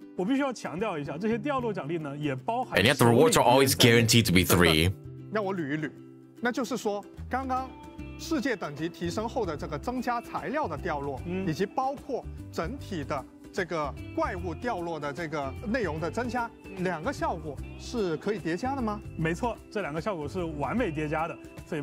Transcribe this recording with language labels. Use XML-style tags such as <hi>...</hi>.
<zh>但是对于这些实力强大的旅行者，他可以很轻松地挑战世界等级九的这些内容的同时呢，还会获得更丰厚的掉落奖励。我必须要强调一下，这些掉落奖励呢也包含。</zh> <en>And yet the rewards are always guaranteed to be three.</en> <zh>让我捋一捋，那就是说，刚刚世界等级提升后的这个增加材料的掉落，以及包括整体的这个怪物掉落的这个内容的增加。两个效果是可以叠加的吗？没错，这两个效果是完美叠加的。所以</zh>